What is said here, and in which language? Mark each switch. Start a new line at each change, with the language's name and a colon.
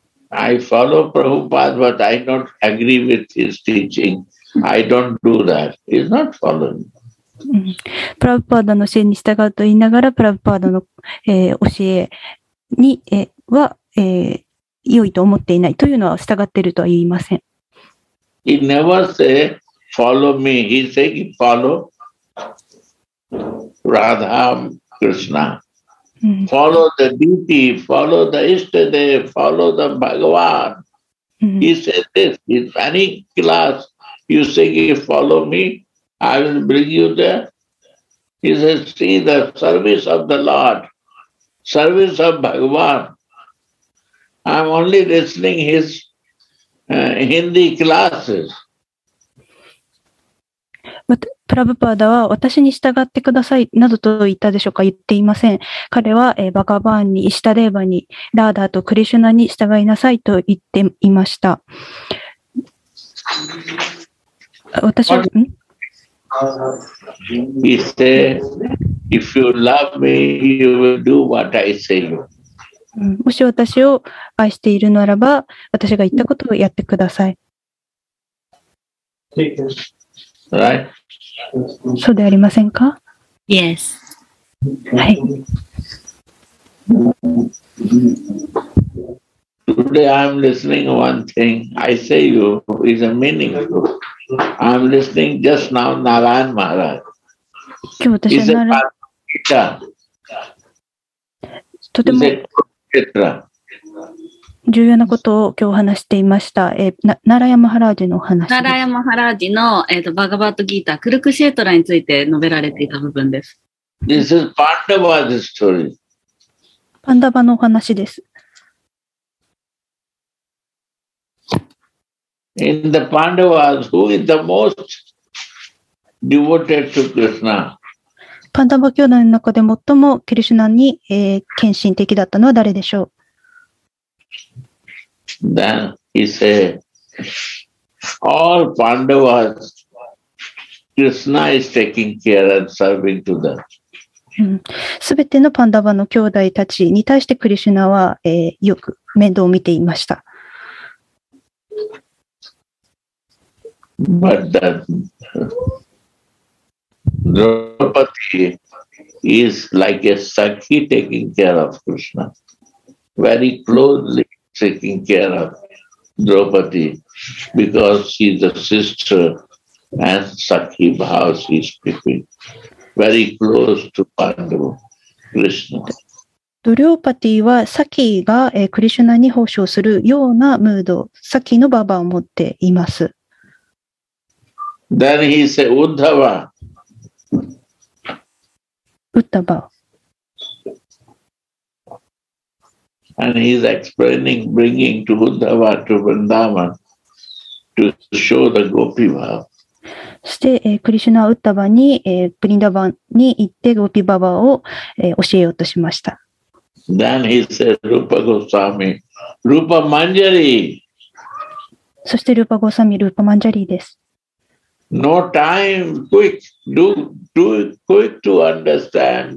English: I follow Prabhupada, but I don't agree with his teaching. I don't do that. He's not following.
Japanese: プラブパーダの教えに従うと言いながら、プラブパーダの、教えに、は、良いと思っていないというのは従っているとは言いません。
English: He never say follow me. He say follow Radha Krishna. Follow the deity. Follow the Ishtadev. Follow the Bhagavan. He said this in any class. You say follow me. I will bring you there. He says see the service of the Lord. Service of Bhagavan. I am only listening his. Hindi classes.
Japanese: プラブパーダは私に従ってくださいなどと言ったでしょうか。言っていません。彼は、バガバーンにイシタデーバにラーダーとクリシュナに従いなさいと言っていました。私は
English: He said, If you love me, you will do what I say you.
Japanese: もし私を愛しているならば、私が言ったことをやってください。
English: Right.
Japanese: そうでありませんか?
English: Yes.
Japanese: はい。
English: Today I'm listening one thing. I say you is a meaningful. I'm listening just now Narayan Maharaj.
Japanese: 今日私は Narayan Maharaj. とても重要なことを今日話していました。ナラヤマハラージの話。ナラヤマハラージの、バガバットギータクルクシェトラについて述べられていた部分です。
English: This is Pandava's story.
Japanese: パンダバのお話です。
English: In the Pandavas, who is the most devoted to Krishna?
Japanese: パンダバ教団の中で最もクリシュナに、献身的だったのは誰でしょう。
English: Then he said, all Pandavas, Krishna is taking care and serving to them.
Japanese: すべてのパンダバの兄弟たちに対してクリシュナは、よく面倒を見ていました。
English: But that Draupadi is like a sakhi taking care of Krishna, very closely taking care of Draupadi because she is a sister and sakhi bhav she is keeping very close to Pandava Krishna.
Japanese: ドリオパティはサキがクリシュナに奉仕するようなムード、サキのババを持っています。
English: Then he said, Uddhava. Uddhava. And he's explaining bringing to Uddhava to Vrindavan to show the Gopi Bhava.
Japanese: そして、クリシュナはウッダバに、ブリンダバンに行ってゴピババを、教えようとしました。
English: Then he said, Rupa Goswami, Rupa Manjari.
Japanese: そしてルーパゴサミ、ルーパマンジャリーです。
English: No time, quick, do it quick to understand.